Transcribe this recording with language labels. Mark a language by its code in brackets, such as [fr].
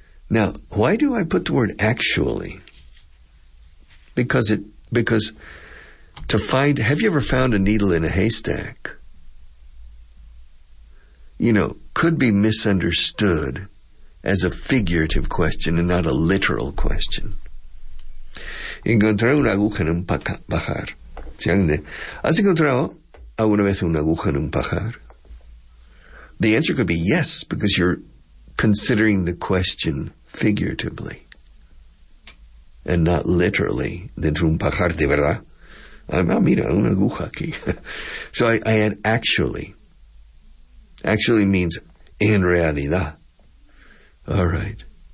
[en] Now, why do I put the word actually? Because to find, have you ever found a needle in a haystack? You know, could be misunderstood as a figurative question and not a literal question. [es] Encontré una aguja en un pajar. ¿Has encontrado alguna vez una aguja en un pajar? [en] The answer could be yes, because you're considering the question figuratively. and not literally [es] dentro un pajar de verdad. Mira, una aguja aquí. [en] So I add actually. Actually means [es] en realidad. [en] All right.